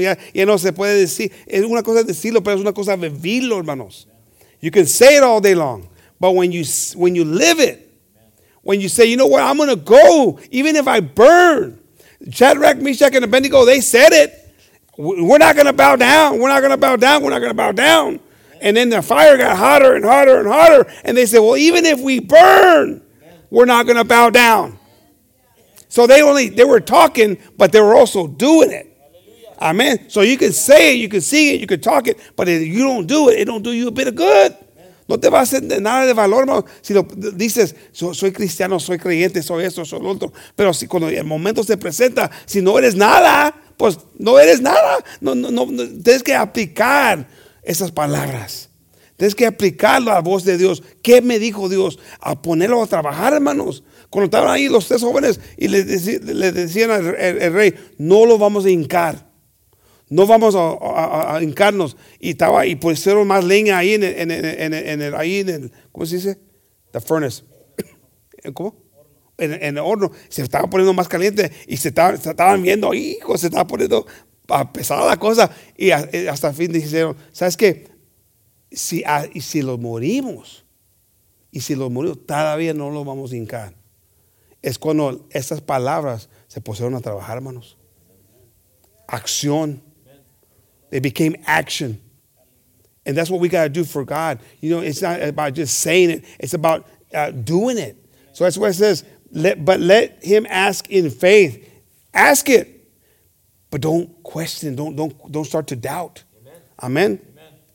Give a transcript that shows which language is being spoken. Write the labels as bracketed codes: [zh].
[es] Ya no se puede decir. Es una cosa decirlo, pero es una cosa vivirlo, hermanos. [en] You can say it all day long. But when you live it, when you say, you know what, I'm going to go, even if I burn. Shadrach, Meshach, and Abednego, they said it. We're not going to bow down. We're not going to bow down. We're not going to bow down. And then the fire got hotter and hotter and hotter. And they said, well, even if we burn, we're not going to bow down. So they were talking, but they were also doing it. Amen. So you can say it, you can see it, you can talk it, but if you don't do it, it don't do you a bit of good. [es] No te va a hacer nada de valor, hermano. Si lo dices, soy cristiano, soy creyente, soy esto, soy lo otro. Pero si cuando el momento se presenta, si no eres nada, pues no eres nada. No, tienes que aplicar esas palabras. Tienes que aplicar la voz de Dios. ¿Qué me dijo Dios? A ponerlo a trabajar, hermanos. Cuando estaban ahí los tres jóvenes y le decían al rey, no lo vamos a hincar. No vamos a hincarnos. Y estaba y pusieron más leña ahí en el ¿cómo se dice? [en] The furnace. [es] ¿Cómo? En el horno. Se estaba poniendo más caliente y se estaban viendo, hijo, se estaba poniendo pesada la cosa. Y hasta el fin dijeron, ¿sabes qué? Si los morimos, todavía no los vamos a hincar. Es cuando esas palabras se pusieron a trabajar, hermanos. [en] Acción. It became action. And that's what we got to do for God. You know, it's not about just saying it. It's about doing it. So that's why it says, let him ask in faith. Ask it. But don't question. Don't start to doubt. Amen. Amen. Amen.